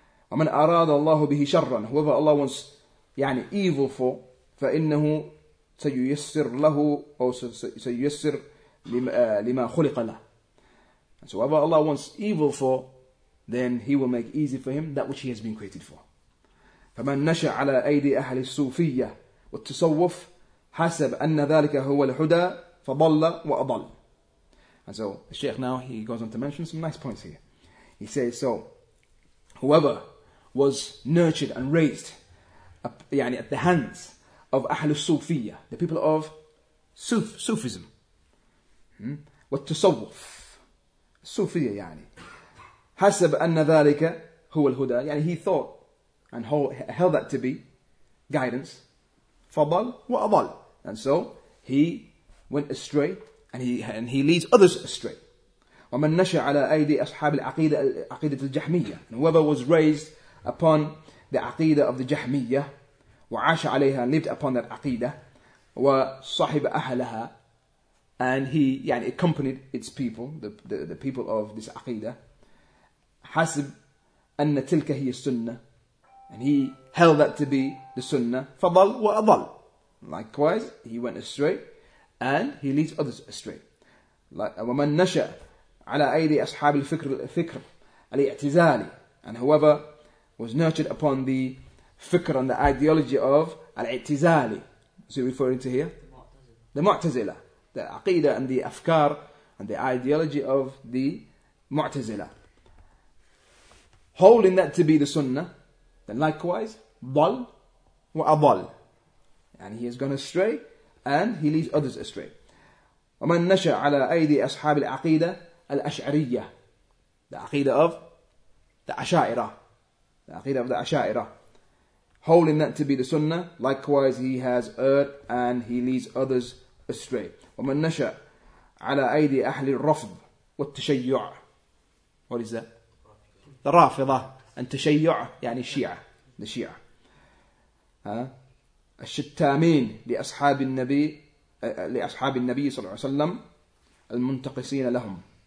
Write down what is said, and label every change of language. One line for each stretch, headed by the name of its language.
Arabic: ومن أراد الله به شرا,
English: whoever Allah wants
Arabic: يعني
English: evil for,
Arabic: فإنه سييسر له أو سييسر لما خلق له.
English: And so whoever Allah wants evil for, then he will make easy for him that which he has been created for.
Arabic: فمن نشا على ايدي اهل الصوفيه والتصوف حسب ان ذلك هو الهدى فضل واضل.
English: And so the Sheikh now, he goes on to mention some nice points here. He says, so whoever was nurtured and raised يعني at the hands of
Arabic: اهل الصوفيه,
English: the people of Sufism,
Arabic: والتصوف الصوفيه يعني حسب أن ذلك هو الهدى,
English: يعني he thought and held that to be guidance,
Arabic: فضل وأضل,
English: and so he went astray and he leads others astray.
Arabic: ومن نشى على أيدي أصحاب العقيدة عقيدة الجحمية,
English: and whoever was raised upon the عقيدة of the جحمية,
Arabic: وعاش عليها
English: and lived upon that عقيدة,
Arabic: وصاحب أهلها,
English: and he يعني accompanied its people, the people of this عقيدة,
Arabic: حسب أن تلك هي السنة,
English: and he held that to be the sunnah.
Arabic: فضل وأضل.
English: Likewise, he went astray and he leads others astray.
Arabic: ومن نشأ على أيدي أصحاب الفكر الفكر الاعتزالي.
English: And whoever was nurtured upon the fikr and the ideology of al-i'tizali. Is he referring to here? The Mu'tazila. The aqidah and the afkar and the ideology of the Mu'tazila. Holding that to be the sunnah, then likewise,
Arabic: ضل وأضل.
English: And he has gone astray and he leads others astray.
Arabic: ومن نشأ على أيدي أصحاب العقيدة الأشعرية.
English: The aqidah of the Asha'ira. The aqidah of the Asha'ira. Holding that to be the sunnah, likewise he has erred and he leads others astray.
Arabic: ومن نشأ على أيدي أهل الرفض والتشيع.
English: What is that?
Arabic: The رافضة and تشيع يعني الشيعة.
English: The Shia.
Arabic: الشتامين لأصحاب النبي صلى الله عليه وسلم المنتقصين لهم.